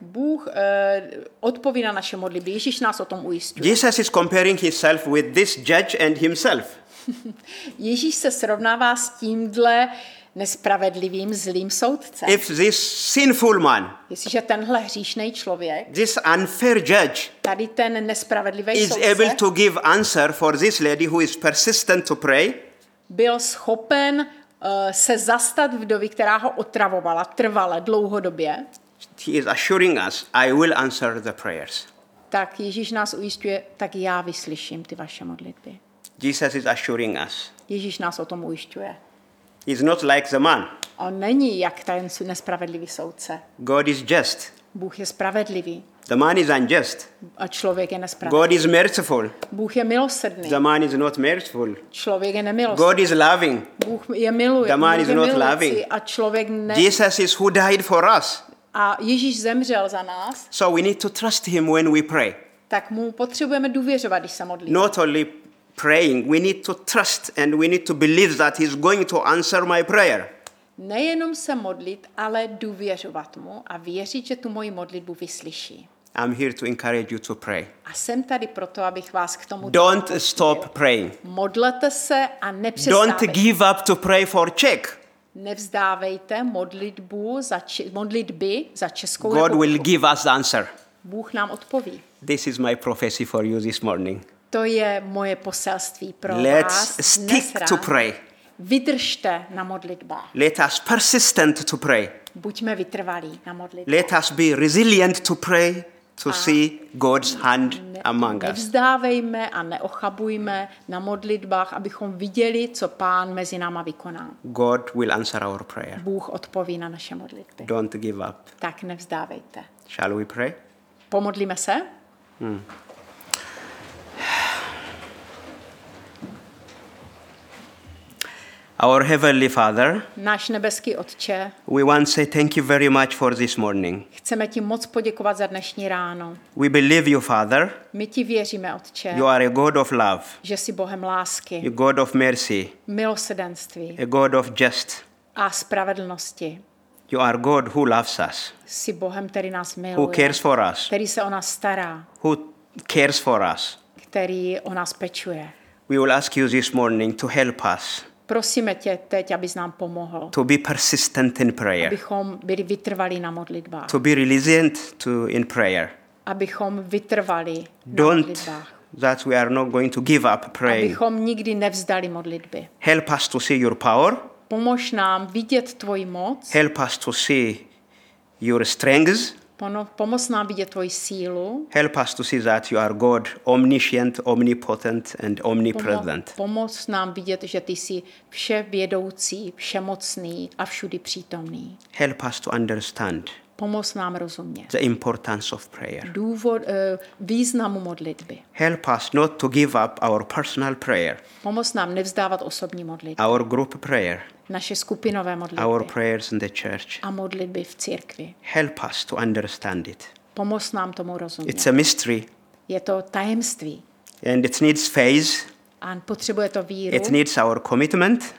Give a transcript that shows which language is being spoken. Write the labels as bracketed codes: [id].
[cs] Bůh odpoví na naše modlitby. Ježíš nás o tom ujistuje. [en] Jesus is comparing himself with this judge and himself. [cs] Ježíš se srovnává s tímhle nespravedlivým zlým soudcem. [en] If this sinful man, [cs] jestliže tenhle hříšný člověk, [en] this unfair judge, [cs] tady ten nespravedlivý soudce, [en] is able to give answer for this lady who is persistent to pray, [cs] byl schopen se zastat vdovy, která ho otravovala trvale, dlouhodobě. [en] He is assuring us, I will answer the prayers. [cs] Tak Ježíš nás ujišťuje, tak já vyslyším ty vaše modlitby. [en] Jesus is assuring us. [cs] Ježíš nás o tom ujišťuje. [en] He's not like the man. [cs] On není jak ten nespravedlivý soudce. [en] God is just. [cs] Bůh je spravedlivý. [en] The man is unjust. [cs] A člověk je nespravedlivý. [en] God is merciful. [cs] Bůh je milosrdný. [en] The man is not merciful. [cs] Člověk je nemilosrdný. [en] God is loving. [cs] Bůh je miluje. [en] The man [cs] Bůh [en] is not loving. [cs] A člověk ne. [en] Jesus is who died for us. [cs] A Ježíš zemřel za nás. [en] So we need to trust him when we pray. [cs] Tak mu potřebujeme důvěřovat, když se modlíme. [en] Not only praying, we need to trust and we need to believe that he's going to answer my prayer. [cs] Nejenom se modlit, ale důvěřovat mu a věřit, že tu moji modlitbu vyslyší. [en] I'm here to encourage you to pray. [cs] A jsem tady proto, abych vás k tomu [en] Don't důležil. Stop praying. [cs] Modlete se a nepřestávejte. [en] Don't give up to pray for Czech. [cs] Nevzdávejte modlitbu za modlitby za Českou republiku. [en] God will give us the answer. [cs] Bůh nám odpoví. [en] This is my prophecy for you this morning. [cs] To je moje poselství pro [en] Let's [cs] vás. [en] Let's stick [cs] dnes [en] to pray. [cs] Vydržte na modlitbách. [en] Let us persistent to pray. [cs] Buďme vytrvalí na modlitbách. [en] Let us be resilient to pray to a see God's hand among us. [cs] Nevzdávejme a neochabujme na modlitbách, abychom viděli, co Pán mezi náma vykoná. [en] God will answer our prayer. [cs] Bůh odpoví na naše modlitby. [en] Don't give up. [cs] Tak nevzdávejte. [en] Shall we pray? [cs] Pomodlíme se? [en] Our heavenly Father. [cs] Náš nebeský Otče. [en] We want to say thank you very much for this morning. [cs] Chceme ti moc poděkovat za dnešní ráno. [en] We believe you, Father. [cs] My ti věříme, Otče. [en] You are a God of love. [cs] Že jsi Bohem lásky. [en] A God of mercy. [cs] Milosrdenství. [en] A God of just. [cs] A spravedlnosti. [en] You are God who loves us. [cs] Jsi Bohem, který nás miluje. [en] Who cares for us. [cs] Který se o nás stará. [en] Who cares for us. [cs] Který o nás pečuje. [en] We will ask you this morning to help us. [cs] Prosíme tě teď, abys nám pomohl. [en] To be persistent in prayer. [cs] Abychom byli vytrvalí na modlitbách. [en] To be resilient to in prayer. [cs] Abychom vytrvali [en] Don't, [cs] na modlitbách. [en] That we are not going to give up praying. [cs] Abychom nikdy nevzdali modlitby. [en] Help us to see your power. [cs] Pomož nám vidět tvoji moc. [en] Help us to see your strengths. [cs] Pomoz nám vidět tvoji sílu. [en] Help us to see that you are God, omniscient, omnipotent and omnipresent. [cs] Pomoz nám vidět, že ty jsi vševědoucí, všemocný a všudy přítomný. [en] Help us to understand. [cs] Pomoz nám rozumět. [en] The importance of prayer. [cs] Důvod, významu modlitby. [en] Help us not to give up our personal prayer. [cs] Pomoz nám nevzdávat osobní modlitby. [en] Our group prayer. [cs] Naše skupinové modlitby. [en] Our prayers in the church. [cs] A modlitby v církvi. [en] Help us to understand it. [cs] Pomoz nám tomu rozumět. [en] It's a mystery. [cs] Je to tajemství. [en] And it needs faith. [cs] A potřebuje to víru. [en] It needs our commitment.